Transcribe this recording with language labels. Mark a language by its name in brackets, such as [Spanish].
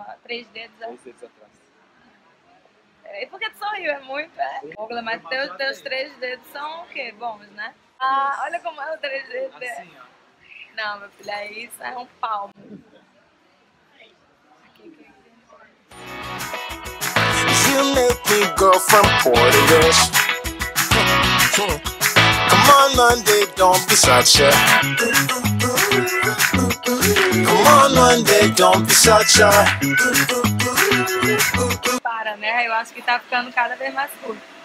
[Portuguese] Três dedos atrás. Peraí, por que tu sorriu? É muito, é? Douglas, mas teus três dedos são o quê? Bons, né? Ah, olha como é o três dedos. Assim, ó. Não, meu filho, aí isso é um palmo. [English] You make me go from poor to rich. Come on, Monday, don't be such a. Come on, Monday, don't be such a. [Portuguese] Para, né? Eu acho que tá ficando cada vez mais curto.